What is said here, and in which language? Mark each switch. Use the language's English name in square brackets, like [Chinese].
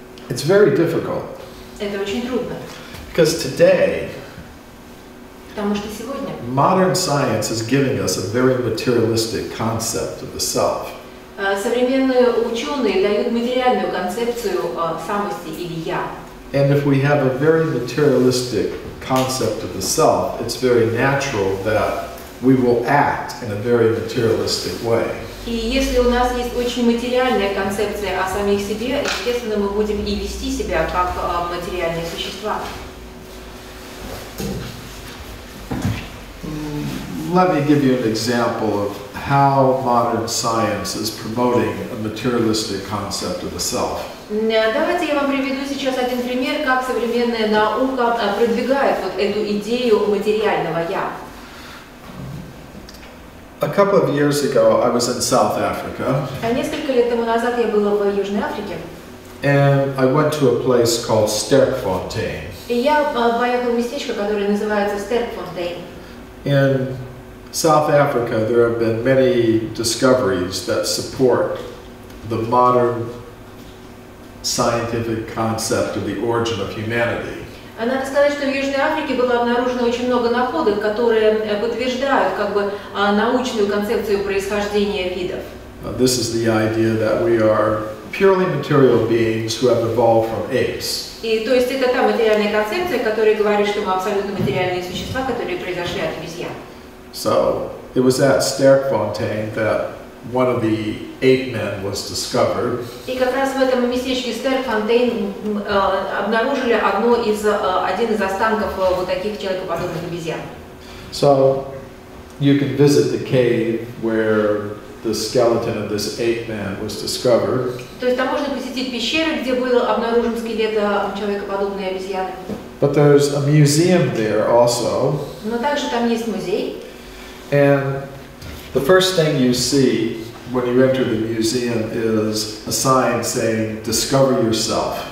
[English] It's very difficult. Because today, modern science is giving us a very materialistic concept of the self. And if we have a very materialistic concept of the self, it's very natural that we will act in a very materialistic way. [Russian] И если у нас есть очень материальная концепция о самих себе, естественно, мы будем и вести себя как материальные существа. [English] Let me give you an example of how modern science is promoting a materialistic concept of the self. [Russian] Давайте я вам приведу сейчас один пример, как современная наука продвигает вот эту идею материального я. [English] A couple of years ago, I was in South Africa. [Russian] Несколько лет тому назад я была в Южной Африке. [English] And I went to a place called Sterkfontein. [Russian] И я поехала в местечко, которое называется Sterkfontein. [English] In South Africa, there have been many discoveries that support the modern scientific concept of the origin of humanity. [Russian] Надо сказать, что в Южной Африке было обнаружено очень много находок, которые подтверждают как бы научную концепцию происхождения видов. [English] This is the idea that we are purely material beings who have evolved from apes. [Russian] И то есть это та материальная концепция, которая говорит, что мы абсолютно материальные существа, которые произошли от обезьян. [English] So, it was at Sterkfontein that one of the ape men was discovered. [Russian] И как раз в этом местечке Sterkfontein обнаружили один из останков вот таких человекоподобных обезьян. [English] So, you can visit the cave where the skeleton of this ape man was discovered. [Russian] То есть там можно посетить пещеру, где был обнаружен скелет человекоподобной обезьяны. [English] But there's a museum there also. [Russian] Но также там есть музей. [English] And the first thing you see when you enter the museum is a sign saying, "Discover yourself."